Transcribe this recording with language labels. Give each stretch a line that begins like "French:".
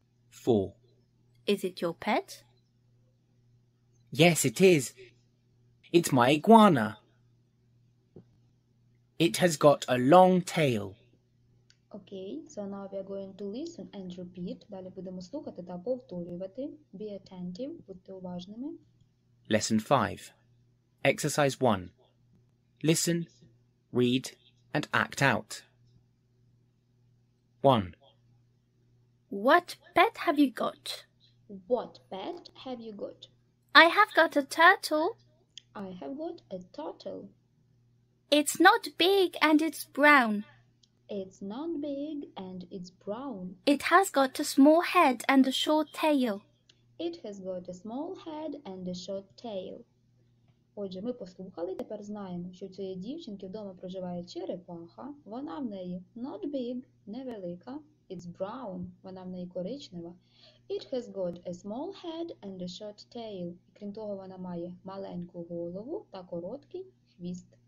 English: Four. Is it your pet? Yes, it is. It's my iguana. It has got a long tail. Окей, so now we are going to listen and repeat.
Ukrainian: Далі будемо слухати та повторювати.
English: Be attentive,
Ukrainian: будьте уважними.
English: Lesson 5. Exercise 1. Listen, read, and act out. 1. What pet have you got? What pet have you got? I have got a turtle. I have got a turtle. It's not big and it's brown. It's not big and it's brown. It has got a small head and a short tail. It has got a small head and a short tail.
Ukrainian: Отже, ми послухали, тепер знаємо, що у цієї дівчинки вдома проживає черепаха. Вона в неї
English: not big,
Ukrainian: невелика.
English: It's brown,
Ukrainian: вона в неї коричнева.
English: It has got a small head and a short tail.
Ukrainian: І крім того, вона має маленьку голову та короткий хвіст.